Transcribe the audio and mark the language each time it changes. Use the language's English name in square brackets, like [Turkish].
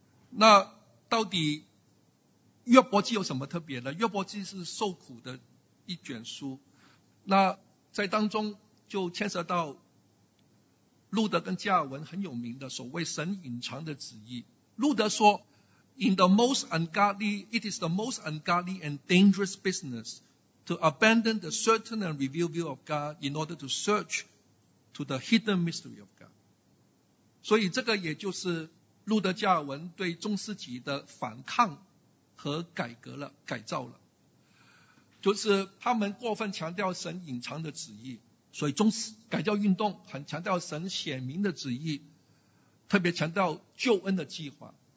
[Chinese] 那到底约伯记有什么特别呢？约伯记是受苦的一卷书，那在当中就牵涉到路德跟加尔文很有名的所谓神隐藏的旨意。 [English] 路德说， In the most ungodly, it is the most ungodly and dangerous business to abandon the certain and revealed view of God in order to search to the hidden mystery of God. [Chinese] 所以这个也就是路德加尔文对中世纪的反抗和改革了，改造了，就是他们过分强调神隐藏的旨意。所以中改教运动很强调神显明的旨意，特别强调救恩的计划。